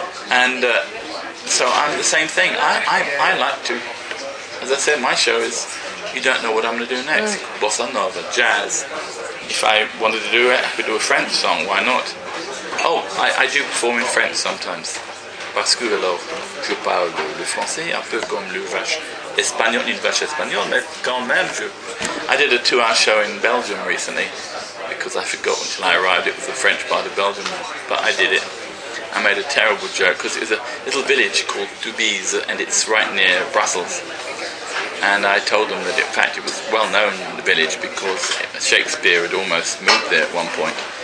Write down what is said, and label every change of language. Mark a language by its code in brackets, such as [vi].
[en] And so I'm the same thing. I like to, as I said, my show is, you don't know what I'm going to do next. Mm. Bossa nova, jazz. If I wanted to do it, I could do a French song. Why not? Oh, I do perform in French sometimes. [fr] Parce que alors, je parle le français un peu comme le vache espagnol, une vache espagnole, mais quand même, je... [en] I did a two-hour show in Belgium recently, because I forgot until I arrived it was a French part of Belgium, but I did it. I made a terrible joke, because it was a little village called Toubize, and it's right near Brussels. And I told them that, in fact, it was well known in the village because Shakespeare had almost moved there at one point.